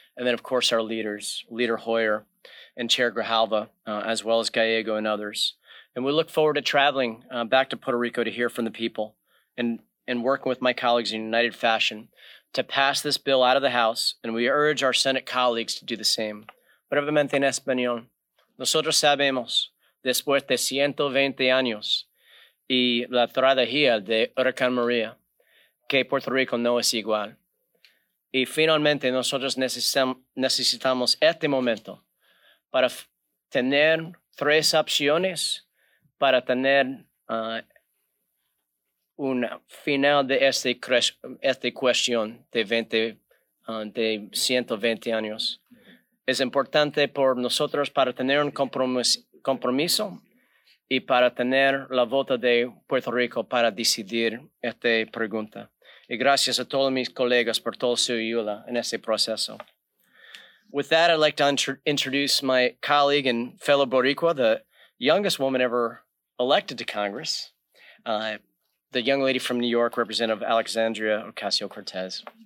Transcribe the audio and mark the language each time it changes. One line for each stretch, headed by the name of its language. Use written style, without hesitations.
English: And then, of course, our leaders, Leader Hoyer and Chair Grijalva, as well as Gallego and others. And we look forward to traveling back to Puerto Rico to hear from the people and working with my colleagues in united fashion to pass this bill out of the House, and we urge our Senate colleagues to do the same.
Spanish: Brevemente en español, nosotros sabemos, después de 120 años y la tragedia de Huracán María, que Puerto Rico no es igual. Y finalmente, nosotros necesitamos este momento para tener tres opciones para tener un final de esta cuestión de 120 años. Es importante por nosotros para tener un compromiso y para tener la voto de Puerto Rico para decidir esta pregunta. Y gracias a todos mis colegas por toda su ayuda en este proceso.
English: With that, I'd like to introduce my colleague and fellow Boricua, the youngest woman ever elected to Congress, the young lady from New York, Representative Alexandria Ocasio-Cortez.